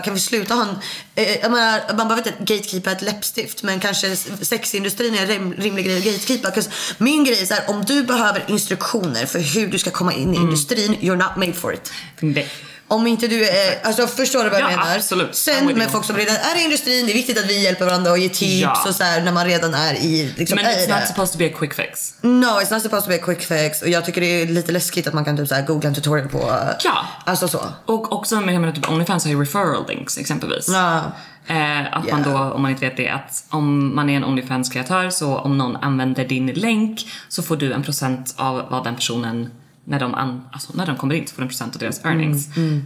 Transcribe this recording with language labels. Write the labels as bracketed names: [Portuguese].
[Swedish] Kan vi sluta ha en, jag menar, man behöver inte gatekeepa ett läppstift, men kanske sexindustrin är en rimlig grej att gatekeepa. Min grej är så här, om du behöver instruktioner för hur du ska komma in i industrin, [English] you're not made for it. [Swedish] Om inte du är, alltså förstår du vad jag menar? Absolut. Sen med folk som redan är i industrin, det är viktigt att vi hjälper varandra och ger tips och så här, när man redan är i liksom, men [English] it's not supposed to be a quick fix. No, it's not supposed to be a quick fix. [Swedish] Och jag tycker det är lite läskigt att man kan typ så här, googla en tutorial på alltså så. Och också med att typ OnlyFans har ju referral links exempelvis. Man då, om man inte vet det, att om man är en OnlyFans-kreatör, så om någon använder din länk så får du en procent av vad den personen, när de alltså när de kommer in, så får en procent av deras earnings.